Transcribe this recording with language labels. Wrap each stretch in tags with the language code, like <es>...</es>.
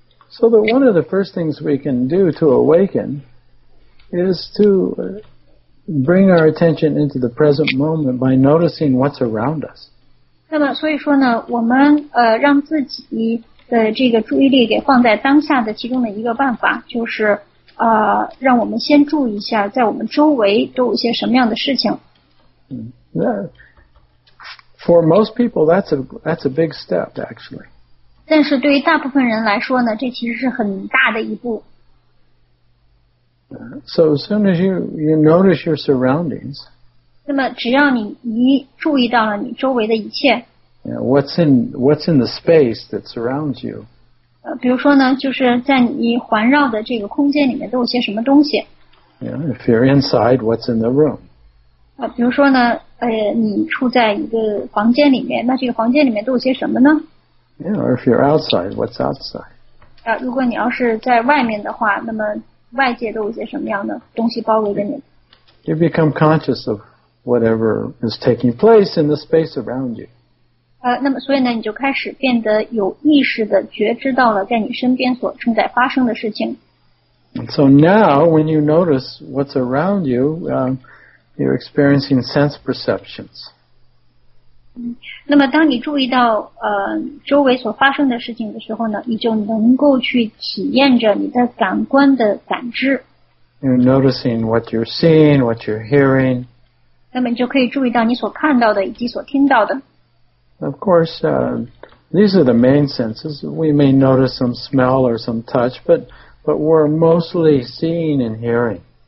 <en>So that one of the first things we can do to awaken is to bring our attention into the present moment by noticing what's around us.</en> <zh>那么所以说呢，我们让自己的这个注意力给放在当下的其中的一个办法就是让我们先注意一下在我们周围都有些什么样的事情。</zh> <en>For most people, that's a big step, actually.</en> <zh>但是对于大部分人来说呢，这其实是很大的一步。</zh> <en>So as soon as you notice your surroundings,</en> <zh>那么只要你注意到了你周围的一切，</zh> <en>what's in the space that surrounds you,</en> <zh>比如说呢，就是在你环绕的这个空间里面都有些什么东西。</zh> <en>Yeah, if you're inside, what's in the room?</en> <zh>比如说呢，你处在一个房间里面，那这个房间里面都有些什么呢？</zh> <en>Yeah, or if you're outside, what's outside?</en> <zh>如果你要是在外面的话，那么外界都有些什么样的东西包围着你？</zh> <en>You become conscious of whatever is taking place in the space around you.</en> <zh>那么所以呢，你就开始变得有意识的觉知到了在你身边所正在发生的事情。</zh> <en>And so now, when you notice what's around you, you're experiencing sense perceptions.</en> <zh>那么当你注意到周围所发生的事情的时候呢，你就能够去体验着你的感官的感知。</zh> <en>You're noticing what you're seeing, what you're hearing.</en> <zh>那么你就可以注意到你所看到的以及所听到的。</zh> <en>Of course, these are the main senses. We may notice some smell or some touch, but we're mostly seeing and hearing.</en>